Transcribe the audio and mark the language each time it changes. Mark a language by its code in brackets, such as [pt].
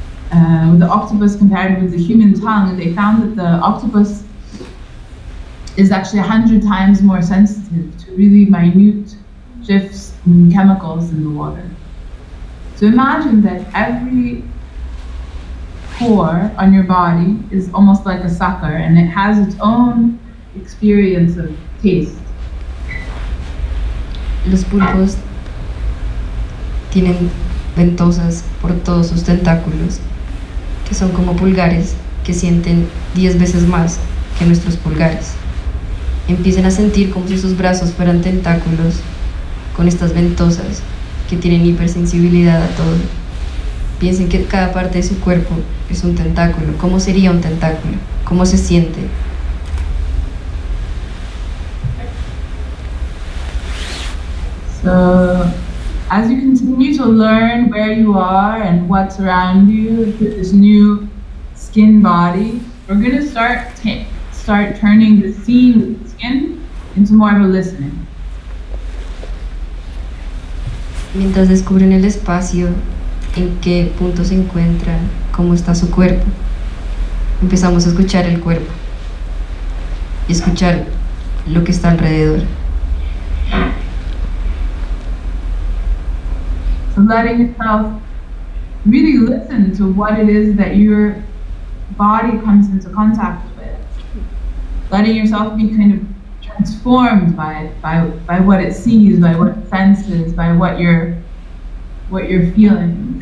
[en] with the octopus compared with the human tongue, and they found that the octopus is actually 100 times more sensitive to really minute shifts in chemicals in the water. So imagine that every pore on your body is almost like a sucker, and it has its own experience of taste. [es] Los pulpos tienen ventosas por todos sus tentáculos, que son como pulgares que sienten 10 veces más que nuestros pulgares. Empiezan a sentir como si sus brazos fueran tentáculos con estas ventosas que tienen hipersensibilidad a todo. Piensen que cada parte de su cuerpo es un tentáculo. ¿Cómo sería un tentáculo? ¿Cómo se siente? [en] So, as you continue to learn where you are and what's around you, this new skin body, we're going to start turning the seeing skin into more of a listening. [es] Mientras descubren el espacio, en qué punto se encuentra, cómo está su cuerpo, empezamos a escuchar el cuerpo y escuchar lo que está alrededor. [en] So letting yourself really listen to what it is that your body comes into contact with. Letting yourself be kind of transformed by what it sees, by what it senses, by what you're feeling.